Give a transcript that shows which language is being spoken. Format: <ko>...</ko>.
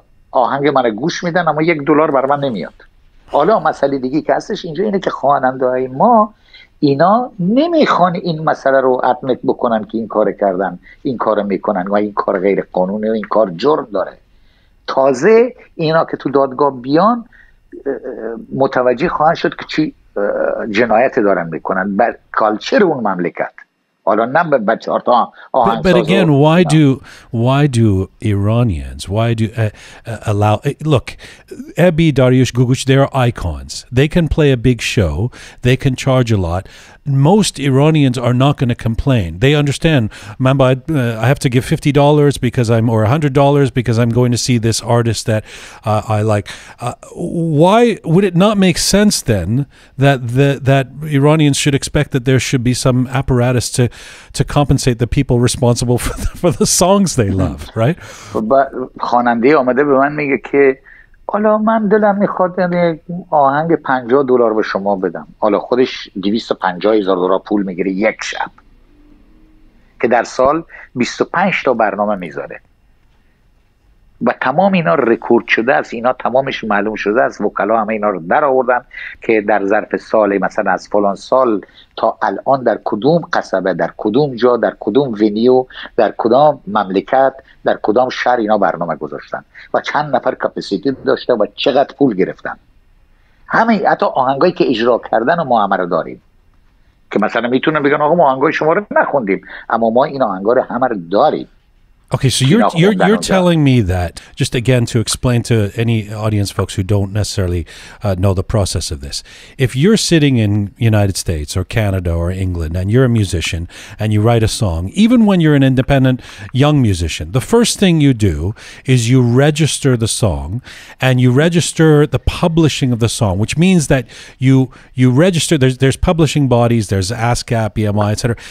<fa>آهنگ من گوش میدن اما یک دلار بر من نمیاد حالا مسئله دیگه که هستش اینجا اینه که خواننده های ما اینا نمیخوان این مسئله رو ادمیت بکنن که این کار کردن این کار میکنن و این کار غیر قانونه و این کار جرم داره تازه اینا که تو دادگاه بیان متوجه خواهن شد که چی جنایت دارن میکنن بر کالچر اون مملکت حالا نه به چهار تا آهنگساز</fa> <en>But again, why do Iranians, why do allow, look, Ebi, Dariush, Gugush, they are icons. They can play a big show. They can charge a lot. Most Iranians are not going to complain. They understand, Mamba, I have to give $50 because I'm, or $100 because I'm going to see this artist that I like. Why would it not make sense then that Iranians should expect that there should be some apparatus to compensate the people responsible for the songs they love, right?</en> <fa>But خواننده آمده به من میگه که حالا من دلم میخواد یعنی آهنگ 50 دلار به شما بدم، حالا خودش 250,000 دلار پول میگیره یک شب، که در سال 25 تا برنامه میذاره و تمام اینا رکورد شده است، اینا تمامش معلوم شده است، وکلا همه اینا رو در آوردن که در ظرف سال مثلا از فلان سال تا الان در کدوم قصبه، در کدوم جا، در کدوم ونیو، در کدام مملکت، در کدام شهر اینا برنامه گذاشتن و چند نفر کپاسیتی داشته و چقدر پول گرفتن. همه حتی آهنگایی که اجرا کردن و ما همه رو داریم، که مثلا میتونن بگن آقا ما آهنگای شما رو نخوندیم، اما ما این آهنگا رو همه رو داریم.</fa> <en>Okay, so you're telling me that, just again to explain to any audience folks who don't necessarily know the process of this, if you're sitting in United States or Canada or England and you're a musician and you write a song, even when you're an independent young musician, the first thing you do is you register the song and you register the publishing of the song, which means that you register, there's publishing bodies, there's ASCAP, BMI, etc.</en>